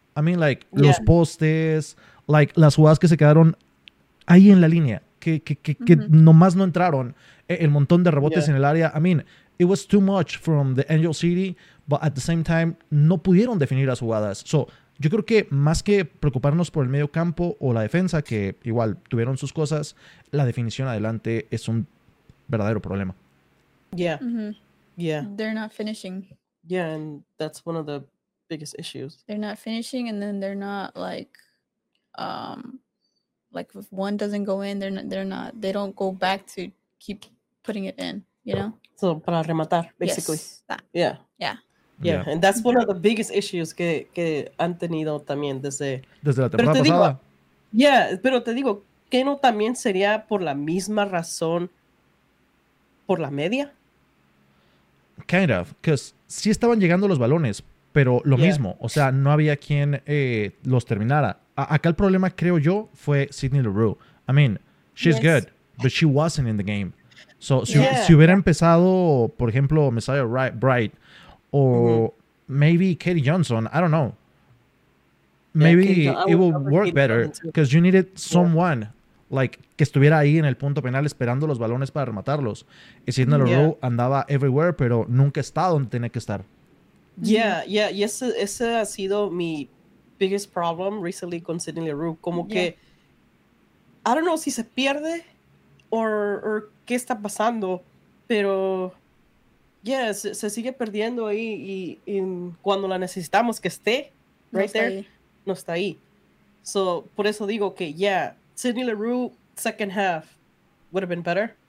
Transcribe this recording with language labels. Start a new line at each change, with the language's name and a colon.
English: I mean, like, los postes, like, las jugadas que se quedaron ahí en la línea, que nomás no entraron, el montón de rebotes en el área. I mean, it was too much from the Angel City, but at the same time,
Spanish: no pudieron definir las jugadas. So, yo creo que más que preocuparnos por el medio campo o la defensa, que igual tuvieron sus cosas, la definición adelante es un verdadero problema.
English: Yeah. Mm-hmm. Yeah. They're not finishing. Yeah, and that's one of the biggest issues. They're not finishing, and then they're not like, like if one doesn't go in, they're not, they don't go back to keep putting it in, you know? So,
Spanish: para rematar,
English: basically. Yes, Yeah, and that's one of the biggest issues
Spanish: que han tenido también desde la temporada pasada. Pero te digo, ¿qué no también sería por la misma razón por la media?
English: Kind of, because
Spanish: sí estaban llegando los balones, pero lo mismo. O sea, no había quien los terminara. Acá el problema, creo yo, fue Sydney Leroux.
English: I mean, she's good, but she wasn't in the game.
Spanish: So, si hubiera empezado, por ejemplo, Messiah Bright...
English: O maybe Katie Johnson. I don't know. Maybe it will work better because you needed someone like
Spanish: que estuviera ahí en el punto penal esperando los balones para rematarlos. Y Sydney Leroux andaba
English: everywhere,
Spanish: pero nunca está donde tenía que estar. Y ese ha sido mi
English: biggest problem recently
Spanish: con Sydney Leroux. Como que,
English: I don't know
Spanish: si se pierde o qué está pasando, pero... Yeah, se sigue perdiendo ahí y cuando la necesitamos que esté, no está ahí.
English: So,
Spanish: por eso digo que,
English: Sydney Leroux, second half, would have been better.